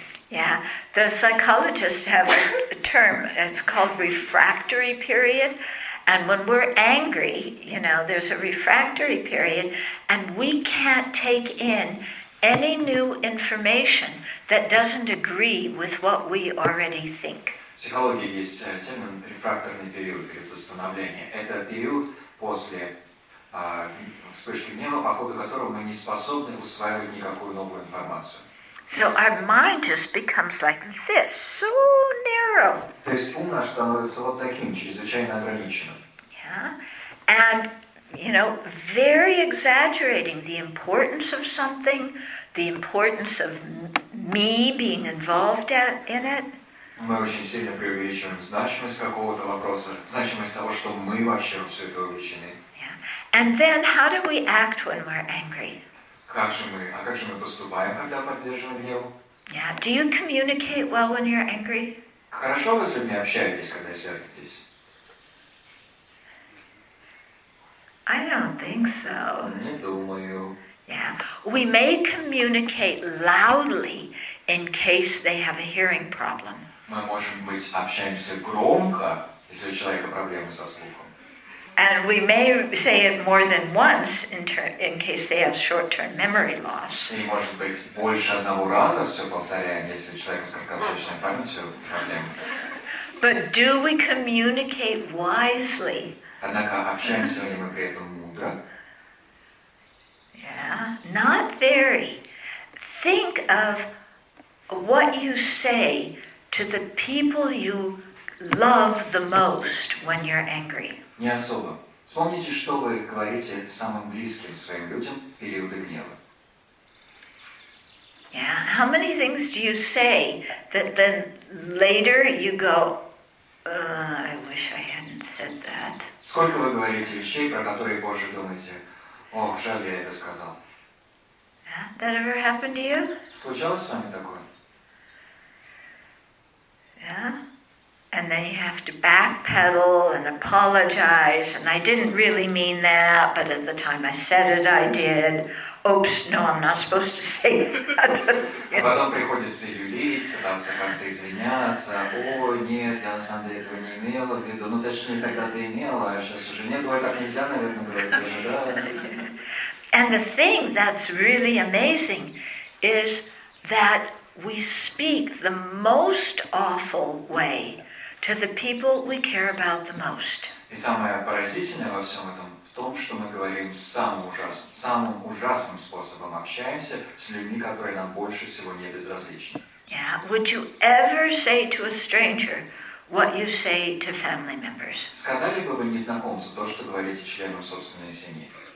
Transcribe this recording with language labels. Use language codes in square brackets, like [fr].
[en] Yeah, the psychologists have a term, it's called refractory period. And when we're angry, you know, there's a refractory period, and we can't take in any new information that doesn't agree with what we already think. [ru] В психологии есть термин «рефракторный период», период восстановления. Это период после вспышки гнева, по ходу которого мы не способны усваивать никакую новую информацию. [en] So our mind just becomes like this, so narrow. [ru] То есть ум наш становится вот таким, чрезвычайно ограниченным. [en] Yeah. And, you know, very exaggerating the importance of something, the importance of me being involved in it. [ru] Мы очень сильно преувеличиваем значимость какого-то вопроса, значимость того, что мы вообще во все это увлечены. [en] And then how do we act when we're angry? [ru] Как же мы поступаем, когда поддерживаем гнев? [en] Yeah. Do you communicate well when you're angry? [ru] Хорошо вы с людьми общаетесь, когда сердитесь? [en] I don't think so. [ru] Не думаю. [en] Yeah. We may communicate loudly in case they have a hearing problem. [ru] Мы можем быть общаемся громко, если у человека проблемы со слухом. [en] And we may say it more than once in case they have short-term memory loss. [ru] И может быть больше одного раза все повторяем, если человек с краткосрочной памятью проблем. [en] But do we communicate wisely? [ru] Однако общаемся ли мы при этом мудро? [en] Yeah, not very. Think of what you say to the people you love the most when you're angry. [ru] Не особо. Вспомните, что вы говорите самым близким своим людям в периоды гнева. [en] Yeah. How many things do you say that then later you go, I wish I hadn't said that. [ru] Сколько вы говорите вещей, про которые позже думаете, о, жаль, я это сказал. [en] Yeah. That ever happened to you? [ru] Случалось с вами такое? [en] Yeah. And then you have to backpedal and apologize, and I didn't really mean that, but at the time I said it, I did. Oops, no, I'm not supposed to say that. [ru] Потом приходится юлить, пытаться как-то извиняться. О, нет, я на самом деле этого не имела в виду. Ну, точнее, тогда ты имела, а сейчас уже нет. Ой, так нельзя, наверное, говорить. [en] And the thing that's really amazing is that we speak the most awful way to the people we care about the most. [ru] И самое поразительное во всем этом в том, что мы говорим самым ужасным способом общаемся с людьми, которые нам больше всего не безразличны. [en] Yeah. Would you ever say to a stranger what you say to family members? [ru] Сказали бы вы незнакомцу то, что говорите членам собственной семьи?